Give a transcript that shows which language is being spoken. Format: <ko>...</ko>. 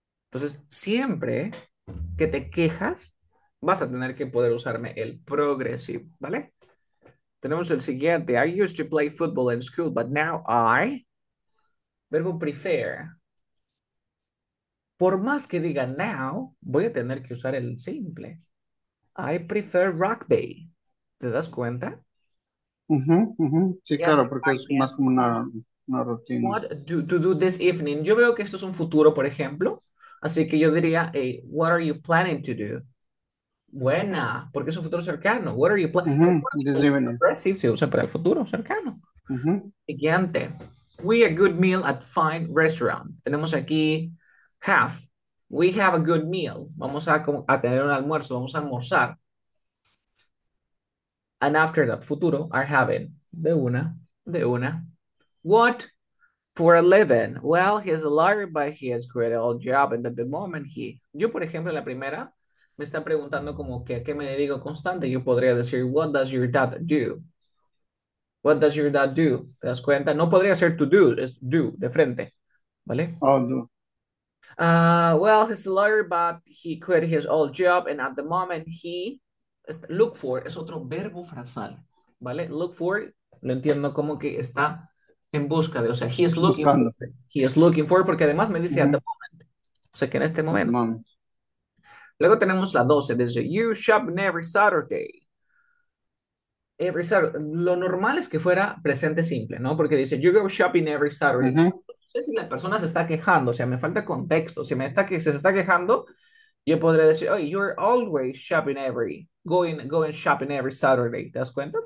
<es>Entonces, siempre que te quejas, vas a tener que poder usarme el progresivo, ¿vale? Tenemos el siguiente.</es> <en>I used to play football in school, but now I.</en> <es>Verbo prefer. Por más que diga now, voy a tener que usar el simple.</es> <en>I prefer rugby.</en> <es>¿Te das cuenta? Sí, Y antes, claro, porque es</es> <en>I</en> <es>más</es> <en>am.</en> <es>como una rutina.</es> <en>What to do this evening?</en> <es>Yo veo que esto es un futuro, por ejemplo. Así que yo diría,</es> <en>hey, what are you planning to do?</en> <es>Buena, porque es un futuro cercano.</es> <en>What are you planning? This evening.</en> <es>Progressive se usa para el futuro cercano. Siguiente.</es> <en>We a good meal at fine restaurant.</en> <es>Tenemos aquí</es> <en>have. We have a good meal.</en> <es>Vamos a tener un almuerzo. Vamos a almorzar.</es> <en>And after that, futuro, are having.</en> <es>De una, de una.</es> <en>What for a living? Well, he is a lawyer, but he has created a job and at the moment he.</en> <es>Yo, por ejemplo, en la primera. Me está preguntando como que a qué me dedico constante. Yo podría decir,</es> <en>what does your dad do? What does your dad do?</en> <es>¿Te das cuenta? No podría ser to do, es do, de frente. ¿Vale?</es> <en>Oh, no. Well, he's a lawyer, but he quit his old job. And at the moment, he... Look for</en> <es>es otro verbo frasal. ¿Vale? Look for, lo entiendo como que está en busca de. O sea,</es> <en>he is looking</en> <es>Buscando. for.</es> <en>He is looking for,</en> <es>porque además me dice</es> <en>at the moment.</en> <es>O sea, que en este momento. Vamos. Luego tenemos la 12, dice,</es> <en>you shop in every Saturday. Every Saturday.</en> <es>Lo normal es que fuera presente simple, ¿no? Porque dice,</es> <en>you go shopping every Saturday.</en> <es>No sé si la persona se está quejando, o sea, me falta contexto. Si me está que se está quejando, yo podría decir,</es> <en>oh, you're always shopping every, going shopping every Saturday.</en> <es>¿Te das cuenta?</es>